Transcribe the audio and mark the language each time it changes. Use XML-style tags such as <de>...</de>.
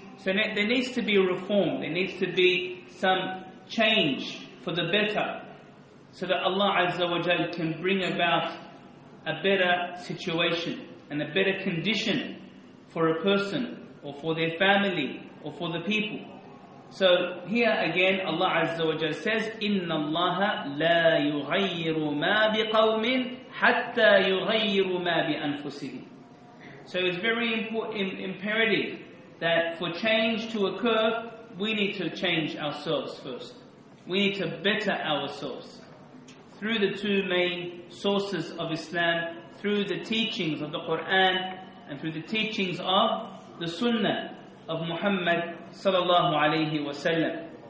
<en>So there needs to be a reform. There needs to be some change for the better, so that Allah Azza wa Jal can bring about a better situation and a better condition for a person or for their family or for the people. So here again, Allah Azza wa Jal says,</en> <ar>إِنَّ اللَّهَ لَا يُغَيِّرُ مَا بِقَوْمٍ حَتَّى يُغَيِّرُ مَا بِأَنفُسِهِمْ.</ar> <en>So it's very imperative that for change to occur, we need to change ourselves first. We need to better ourselves through the two main sources of Islam, through the teachings of the Quran and through the teachings of the Sunnah of Muhammad sallallahu alayhi wa sallam.</en>